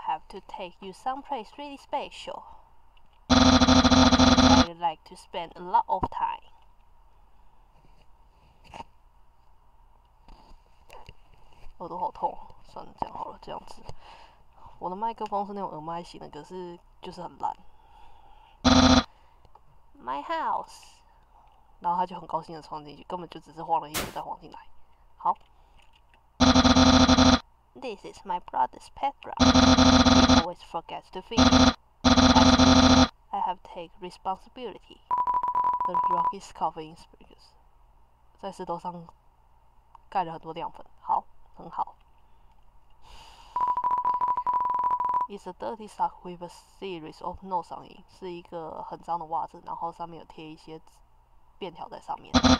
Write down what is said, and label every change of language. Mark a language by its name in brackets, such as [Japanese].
[English] To take you someplace really special. I would like to spend a lot of time. [Chinese] Oh, 都好痛，算了，这样好了，这样子。我的麦克风是那种耳麦型的，可是就是很烂。 [English] My house. [Chinese] 然后他就很高兴的闯进去，根本就只是晃了一会再晃进来。好。 [English] This is my brother's bedroom. He always forgets to feed him. I have to take responsibility. The rock is covered in sprinkles. [Chinese] 在石头上盖了很多亮粉。好，很好。 [English] It's a dirty sock with a series of notes on it. [Chinese] 是一个很脏的袜子，然后上面有贴一些便条在上面。